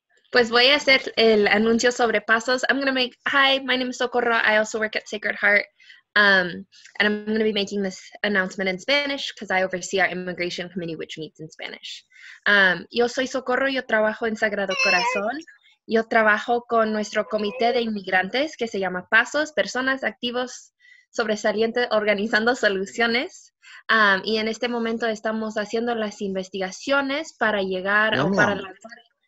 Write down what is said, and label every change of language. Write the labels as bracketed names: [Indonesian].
[Spanish] Pues voy a hacer el anuncio sobre pasos. [English] I'm going to make, hi, my name is Socorro. I also work at Sacred Heart. And I'm going to be making this announcement in Spanish because I oversee our immigration committee, which meets in Spanish. [Spanish] Yo soy Socorro, yo trabajo en Sagrado Corazón. Yo trabajo con nuestro comité de inmigrantes que se llama PASOS, Personas Activos Sobresalientes Organizando Soluciones. Y en este momento estamos haciendo las investigaciones para llegar o para lanzar